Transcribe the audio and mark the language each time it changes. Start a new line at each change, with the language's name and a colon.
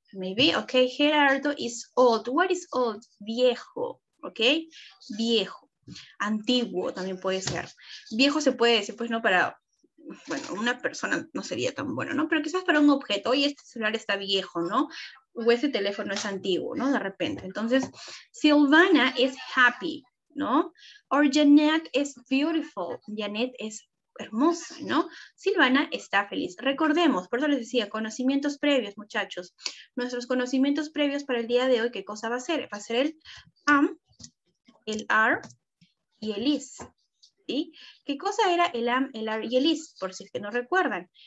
English: Maybe. Ok. Gerardo is old. What is old? Viejo. Ok. Viejo.
Spanish: Antiguo también puede ser. Viejo se puede decir, pues no, para. Bueno, una persona no sería tan bueno, ¿no? Pero quizás para un objeto. Oye, este celular está viejo, ¿no? O ese teléfono es antiguo, ¿no? De repente.
English: Entonces, Silvana is happy. ¿No? Or Jeanette is beautiful.
Spanish: Janet es hermosa, ¿no? Silvana está feliz. Recordemos, por eso les decía, conocimientos previos, muchachos. Nuestros conocimientos previos para el día de hoy, ¿qué cosa va a ser? Va a ser el am, el are y el is. ¿Sí? ¿Qué cosa era el am, el are y el is? Por si es que no recuerdan.